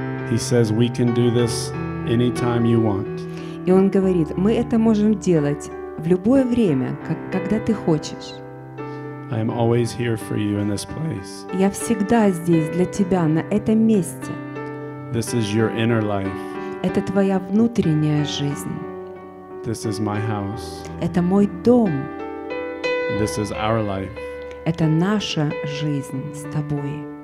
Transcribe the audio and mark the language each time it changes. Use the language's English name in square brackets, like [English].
[English] He says we can do this anytime you want. [Russian] И он говорит, мы это можем делать в любое время, когда ты хочешь. [English] I am always here for you in this place. [Russian] Я всегда здесь для тебя на этом месте. [English] This is your inner life. [Russian] Это твоя внутренняя жизнь. [English] This is my house. [Russian] Это мой дом. [English] This is our life. [Russian] Это наша жизнь с тобой.